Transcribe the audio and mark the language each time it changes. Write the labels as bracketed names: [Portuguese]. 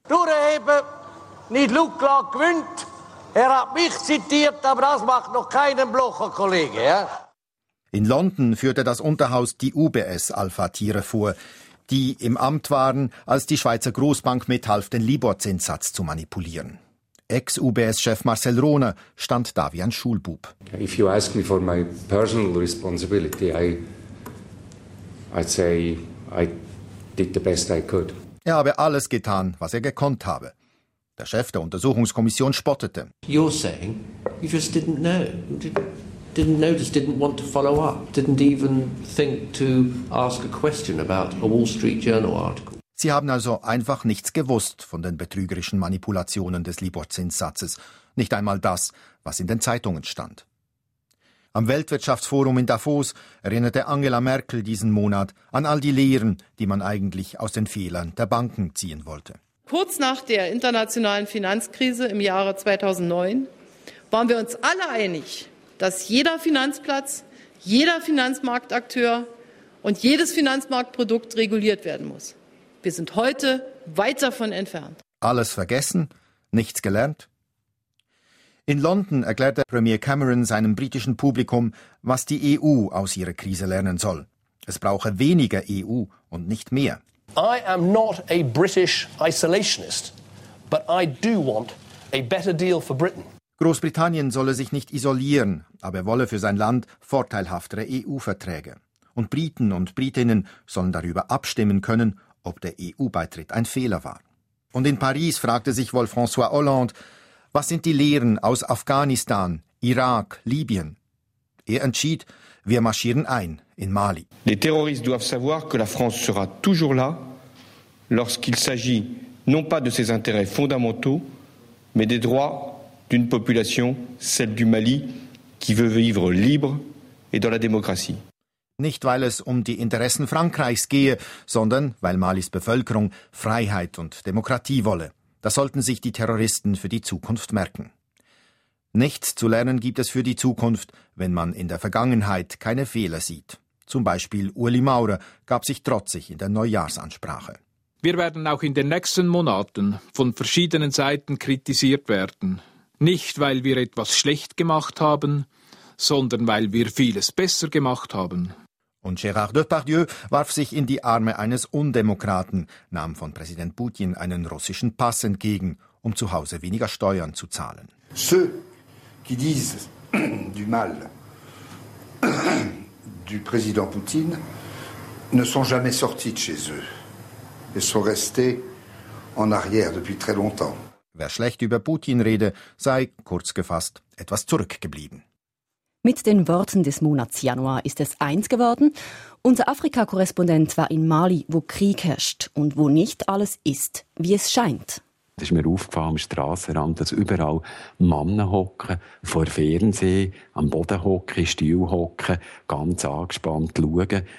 [German] Durchheben, nicht Lugler gewinnt. Er hat mich zitiert, aber das macht noch keinen Blocher, Kollege. Ja? In London führte das Unterhaus die UBS-Alpha-Tiere vor, die im Amt waren, als die Schweizer Grossbank mithalf, den Libor-Zinssatz zu manipulieren. Ex-UBS-Chef Marcel Rohner stand da wie ein Schulbub. [English] If you ask me for my personal responsibility, I'd say I did the best I could. [German] Er habe alles getan, was er gekonnt habe. Der Chef der Untersuchungskommission spottete. [English] You're saying you just didn't know. Didn't notice, didn't want to follow up. Didn't even think to ask a question about a Wall Street Journal article. [German] Sie haben also einfach nichts gewusst von den betrügerischen Manipulationen des Libor-Zinssatzes. Nicht einmal das, was in den Zeitungen stand. Am Weltwirtschaftsforum in Davos erinnerte Angela Merkel diesen Monat an all die Lehren, die man eigentlich aus den Fehlern der Banken ziehen wollte. Kurz nach der internationalen Finanzkrise im Jahre 2009 waren wir uns alle einig, dass jeder Finanzplatz, jeder Finanzmarktakteur und jedes Finanzmarktprodukt reguliert werden muss. Wir sind heute weit davon entfernt. Alles vergessen, nichts gelernt. In London erklärte Premier Cameron seinem britischen Publikum, was die EU aus ihrer Krise lernen soll. Es brauche weniger EU und nicht mehr. [English] I am not a British isolationist, but I do want a better deal for Britain. [German] Großbritannien solle sich nicht isolieren, aber er wolle für sein Land vorteilhaftere EU-Verträge. Und Briten und Britinnen sollen darüber abstimmen können, ob der EU-Beitritt ein Fehler war. Und in Paris fragte sich wohl François Hollande, was sind die Lehren aus Afghanistan, Irak, Libyen? Er entschied, wir marschieren ein in Mali. [French] Les terroristes doivent savoir que la France sera toujours là lorsqu'il s'agit non pas de ses intérêts fondamentaux, mais des droits d'une population, celle du Mali, qui veut vivre libre et dans la démocratie. [German] Nicht weil es um die Interessen Frankreichs gehe, sondern weil Malis Bevölkerung Freiheit und Demokratie wolle. Das sollten sich die Terroristen für die Zukunft merken. Nichts zu lernen gibt es für die Zukunft, wenn man in der Vergangenheit keine Fehler sieht. Zum Beispiel Ueli Maurer gab sich trotzig in der Neujahrsansprache. Wir werden auch in den nächsten Monaten von verschiedenen Seiten kritisiert werden. Nicht, weil wir etwas schlecht gemacht haben, sondern weil wir vieles besser gemacht haben. Und Gérard Depardieu warf sich in die Arme eines Undemokraten, nahm von Präsident Putin einen russischen Pass entgegen, um zu Hause weniger Steuern zu zahlen. [French] Ceux qui disent du mal du président Poutine ne sont jamais sortis de chez eux et sont restés en arrière depuis très longtemps. [German] Wer schlecht über Putin rede, sei, kurz gefasst, etwas zurückgeblieben. Mit den Worten des Monats Januar ist es eins geworden. Unser Afrika-Korrespondent war in Mali, wo Krieg herrscht und wo nicht alles ist, wie es scheint. Es ist mir aufgefallen am Strassenrand, dass überall Männer hocken, vor Fernsehen, am Boden hocken, still hocken, ganz angespannt schauen.